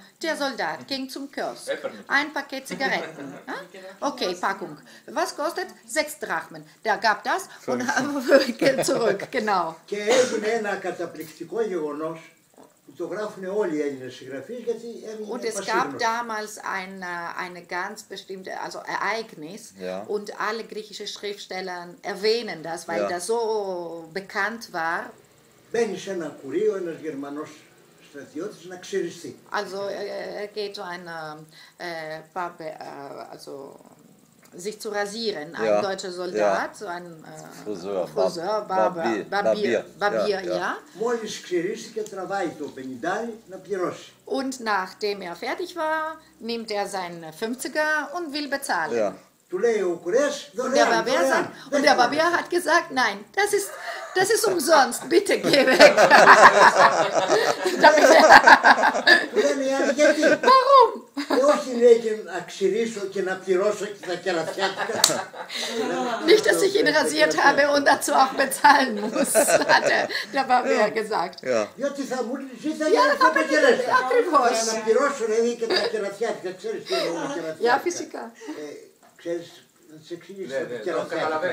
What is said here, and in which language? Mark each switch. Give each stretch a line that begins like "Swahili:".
German: der Soldat ging zum Kiosk. Ein Paket Zigaretten. Okay, Packung. Was kostet? 6 Drachmen. Der gab das und geht zurück. Genau.
Greek: Και έγινε ένα καταπληκτικό γεγονός που το γράφουν όλοι οι Έλληνες συγγραφείς γιατί έγινε πασίγνωση.
German: Und es gab damals eine ganz bestimmte, also Ereignis, und alle griechischen Schriftsteller erwähnen das, weil das so bekannt war.
Greek: Μπαίνει σε ένα κουρίο ένας Γερμανός στρατιώτης να ξυριστεί.
German: Also geht ein Pape, also sich zu rasieren, ein deutscher Soldat, so ein Friseur, Barbier,
Greek: Μόλις ξυρίσει και τραβάει το πενιντάρι να πληρώσει.
German: Und nachdem fertig war, nimmt sein 50er und will bezahlen.
Greek: Του λέει ο κουρέας, δωρεάν.
German: Und der Barbier hat gesagt, nein, das ist umsonst, bitte geh weg.
Greek: Του λέει, γιατί.
German: Warum?
Greek: Όχι, λέει, και να ξυρίσω και να πληρώσω και τα κερατιά του.
German: Nicht, dass ich ihn rasiert habe und dazu auch bezahlen muss, hat der Barbier gesagt.
Greek: Γιατί θα μου ζήτησε να τα πληρώσω. Ακριβώς. Να πληρώσω, λέει, και τα κερατιά του. Ξέρεις τι είναι ο κερατιά. Ναι, φυσικά. Ξέρεις, να σε εξηγήσω το κερατιά.